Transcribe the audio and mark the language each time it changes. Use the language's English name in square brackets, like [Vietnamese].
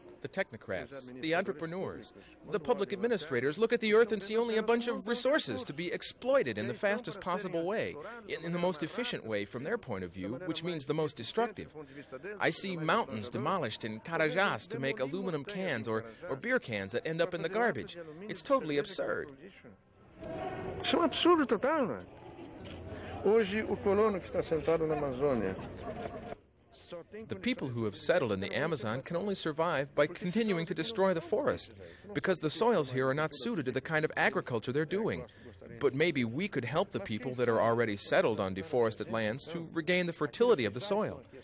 [English] the technocrats, the entrepreneurs, the public administrators look at the earth and see only a bunch of resources to be exploited in the fastest possible way, in the most efficient way from their point of view, which means the most destructive. I see mountains demolished in Carajás to make aluminum cans or beer cans that end up in the garbage. It's totally absurd. [Portuguese] Isso é um absurdo total, não é? Hoje, o colono que está sentado na Amazônia [English] The people who have settled in the Amazon can only survive by continuing to destroy the forest, because the soils here are not suited to the kind of agriculture they're doing. But maybe we could help the people that are already settled on deforested lands to regain the fertility of the soil.